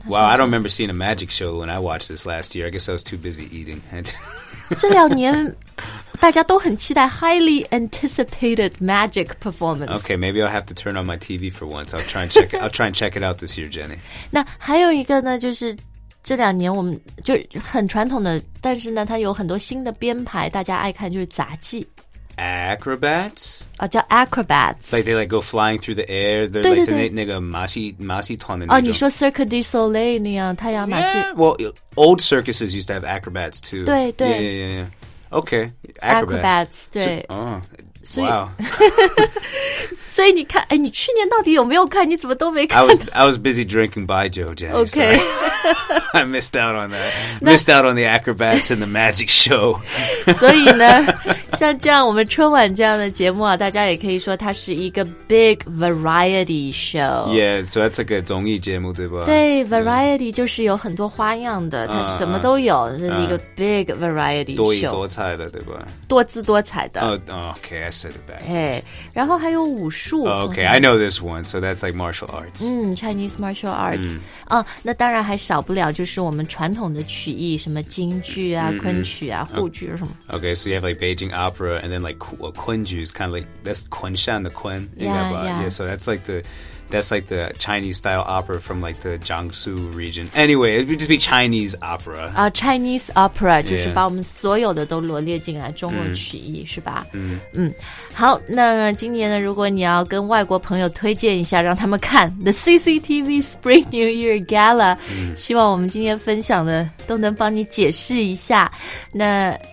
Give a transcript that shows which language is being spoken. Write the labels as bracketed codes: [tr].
[en] Wow, I don't remember seeing a magic show when I watched this last year. I guess I was too busy eating. [zh] 这两年大家都很期待 [en] highly anticipated magic performance. Okay, maybe I'll have to turn on my TV for once. I'll try and check it out this year, Jenny. [zh] 那还有一个呢就是这两年我们就很传统的但是呢它有很多新的编排大家爱看就是杂技。 [en] Acrobats? [zh] 啊、叫 acrobats. [en] Like they like go flying through the air. They're [zh] 对对对 [en] like the [zh] 那个马戏团的那种。哦，你说 Cirque du Soleil 那样太阳马戏。 [en] Yeah, well, old circuses used to have acrobats too. [zh] 对对。 [en] Yeah, yeah, yeah. Okay, acrobats. [zh] 对。 [en] So, oh, wow. [zh] 所以你看，哎，你去年到底有没有看？你怎么都没看 [en] ？I was busy drinking baijiu, Jenny. Okay. I missed out on that. Missed out on the acrobats and the magic show. [zh] 所以呢，像这样我们春晚这样的节目啊，大家也可以说它是一个 [en] big variety show. Yeah, so that's like a [zh] 综艺节目，对吧？对 ，variety、就是有很多花样的，它什么都有，这是一个 [en] big variety show， [zh] 多姿多彩的，对吧？多姿多彩的。 [en] Okay, I said it back. [zh] Hey, 然后还有舞。 [en] Oh, okay, I know this one, so that's like martial arts. Chinese martial arts. [zh] 那当然还少不了就是我们传统的曲艺，什么京剧啊、昆曲啊、沪剧什么。 [en] Okay, so you have like Beijing opera, and then like 昆剧 is kind of like, that's [zh] 昆山的昆 [en] Yeah, so that's like the Chinese style opera from like the Jiangsu region. Anyway, it would just be Chinese opera. Chinese opera, [zh] 就是把我们所有的都罗列进来中国曲艺是吧好那今年呢如果你要跟外国朋友推荐一下让他们看 [en] The CCTV Spring New Year Gala, [zh] 希望我们今天分享的都能帮你解释一下那